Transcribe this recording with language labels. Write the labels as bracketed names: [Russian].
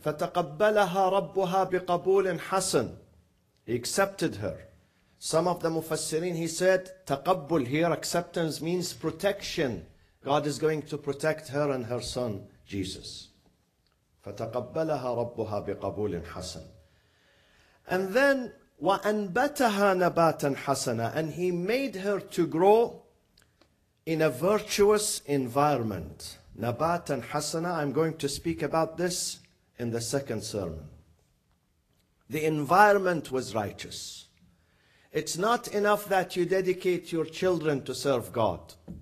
[Arabic] فَتَقَبَّلَهَا رَبُّهَا بِقَبُولٍ حَسَنٍ. [English] He accepted her. Some of the Mufassirin, he said, تَقَبُّل here, acceptance means protection. God is going to protect her and her son, Jesus. [Arabic] فَتَقَبَّلَهَا رَبُّهَا بِقَبُولٍ حَسَنٍ. [English] And then, [Arabic] وَأَنْبَتَهَا نَبَاتًا حَسَنًا. [English] And he made her to grow in a virtuous environment. [Arabic] نَبَاتًا حَسَنًا. [English] I'm going to speak about this in the second sermon. The environment was righteous. It's not enough that you dedicate your children to serve God.